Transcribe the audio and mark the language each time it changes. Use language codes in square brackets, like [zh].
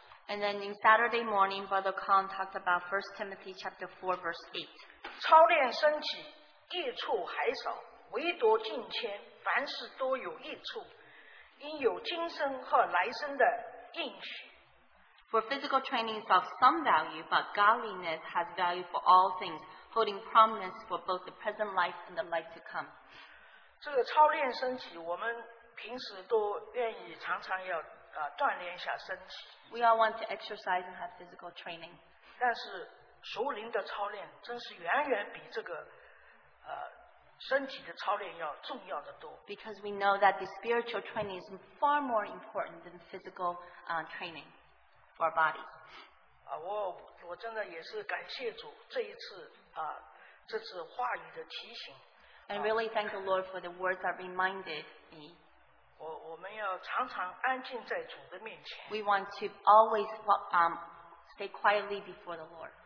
[en] And then in Saturday morning, Brother Khan talked about 1 Timothy chapter 4, verse 8. [zh] 操练身体益处还少，唯独敬虔凡事都有益处，因有今生和来生的应许。 [en] For physical training is of some value, but godliness has value for all things, holding prominence for both the present life and the life to come. [zh] 这个操练身体，我们平时都愿意常常要锻炼一下身体。 [en] We all want to exercise and have physical training. [zh] 但是属灵的操练真是远远比这个身体的操练要重要的多。 [en] Because we know that the spiritual training is far more important than physical training. For our bodies. [zh] 我真的也是感谢主这一次这次话语的提醒。 [en] And really thank the Lord for the words that reminded me. [zh] 我们要常常安静在主的面前。 [en] We want to always stay quietly before the Lord.